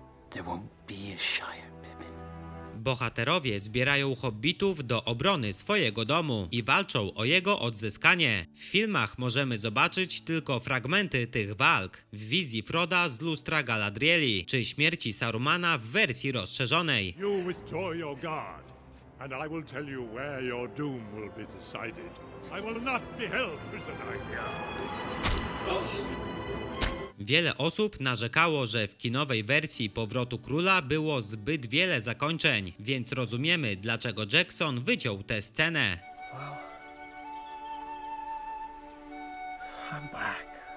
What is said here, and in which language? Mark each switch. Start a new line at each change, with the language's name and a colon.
English: There won't be a Shire, Pippin.
Polish: Bohaterowie zbierają hobbitów do obrony swojego domu i walczą o jego odzyskanie. W filmach możemy zobaczyć tylko fragmenty tych walk w wizji Froda z lustra Galadrieli czy śmierci Sarumana w wersji rozszerzonej.
English: You withdraw your guard, and I will tell you where your doom will be decided. I will not be held prisoner here.
Polish: Wiele osób narzekało, że w kinowej wersji Powrotu Króla było zbyt wiele zakończeń, więc rozumiemy, dlaczego Jackson wyciął tę scenę.
English: Well, I'm back.